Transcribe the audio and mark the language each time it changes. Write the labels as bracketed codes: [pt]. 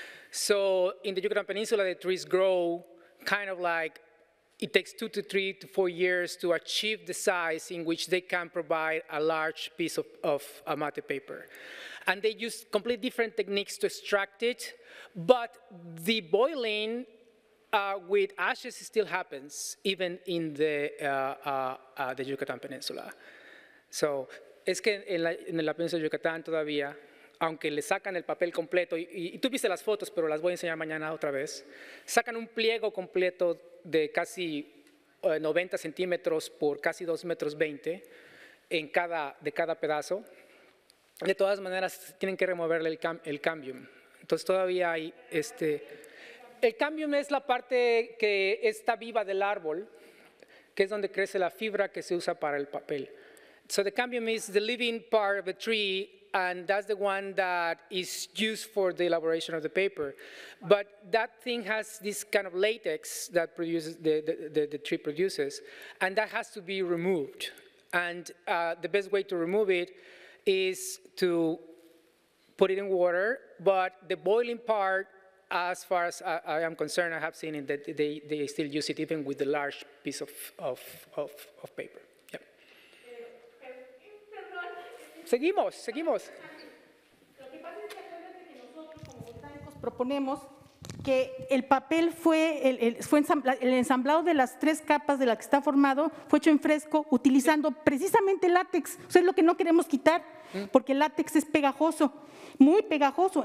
[en] So in the Yucatan Peninsula, the trees grow kind of like it takes 2 to 3 to 4 years to achieve the size in which they can provide a large piece of mate paper. And they use completely different techniques to extract it, but the boiling with ashes still happens, even in the Yucatan Peninsula. [es] So, es que en la península de Yucatán todavía, aunque le sacan el papel completo, y tú viste las fotos, pero las voy a enseñar mañana otra vez, sacan un pliego completo de casi 90 centímetros por casi 2.20 metros de cada pedazo. De todas maneras, tienen que removerle el cambium. Entonces, todavía hay este... El cambium es la parte que está viva del árbol, que es donde crece la fibra que se usa para el papel. [en] So the cambium is the living part of the tree, and that's the one that is used for the elaboration of the paper. But that thing has this kind of latex that produces the tree produces, and that has to be removed. And the best way to remove it is to put it in water, but the boiling part, as far as I am concerned, I have seen it, that they still use it even with the large piece of paper. [es] Seguimos. Lo que pasa es que acuérdate que nosotros como botánicos proponemos que el papel fue el ensamblado de las tres capas de las que está formado fue hecho en fresco utilizando precisamente látex. O sea, es lo que no queremos quitar, porque el látex es pegajoso, muy pegajoso.